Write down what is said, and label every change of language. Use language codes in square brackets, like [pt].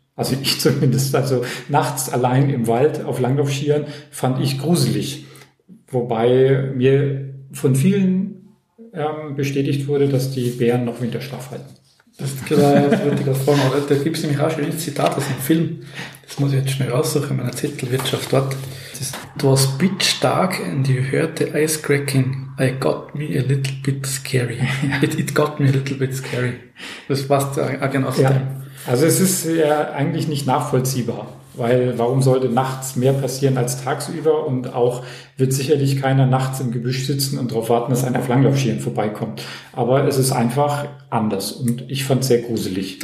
[de] Also ich zumindest, also nachts allein im Wald auf Langlaufskiern fand ich gruselig. Wobei mir von vielen bestätigt wurde, dass die Bären noch Winterschlaf halten. Das ist klar, da gibt es nämlich auch schon ein Zitat aus dem Film. Das muss ich jetzt schnell raussuchen, meine Zettelwirtschaft dort. [en] It was pitch dark and you heard the ice cracking. I got me a little bit scary. It got me a little bit scary. [de] Das passt auch genau so. Ja. Also es ist ja eigentlich nicht nachvollziehbar, weil warum sollte nachts mehr passieren als tagsüber? Und auch wird sicherlich keiner nachts im Gebüsch sitzen und darauf warten, dass einer auf Langlaufschieren vorbeikommt. Aber es ist einfach anders und ich fand es sehr gruselig.